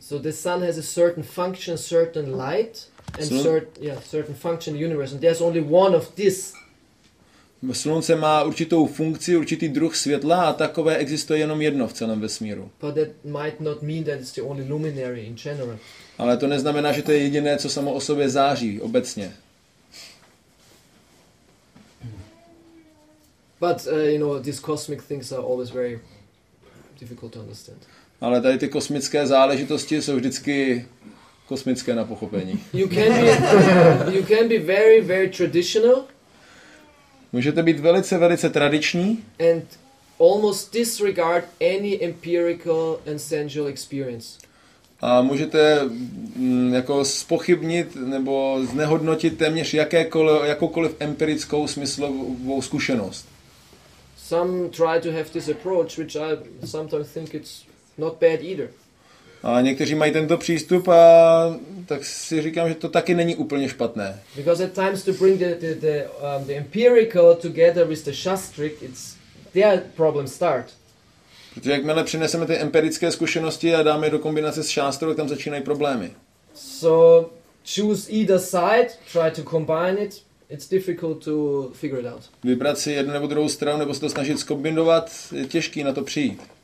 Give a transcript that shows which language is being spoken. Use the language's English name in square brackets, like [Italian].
[English] So the sun has a certain function, certain light, and certain function in the universe. And there's only one of this. [Czech] Slunce má určitou funkci, určitý druh světla a takové existuje jenom jedno v celém vesmíru. [English] But that might not mean that it's the only luminary in general. [Czech] Ale to neznamená, že to je jediné, co samo o sobě září obecně. [English] But these cosmic things are always very difficult to understand. [Czech] Ale tady ty kosmické záležitosti jsou vždycky kosmické na pochopení. [English] You can be very very traditional. [Czech] Můžete být velice velice tradiční. [English] And almost disregard any empirical and sensual experience. [Czech] A můžete jako spochybnit nebo znehodnotit téměř jakoukoliv empirickou smyslovou zkušenost. [English] Some try to have this approach, which I sometimes think it's not bad either. [Czech] A někteří mají tento přístup a tak si říkám, že to taky není úplně špatné. [English] Because at times to bring the empirical together with the shastric, it's their problem start. [Czech] Protože jakmile přineseme ty empirické zkušenosti a dáme do kombinace s šástrou, tam začínají problémy. [English] So choose either side, try to combine it. It's difficult to figure it out. [Czech] Vybrat si jednu nebo druhou stranu nebo se to snažit skombinovat, je těžký na to přijít.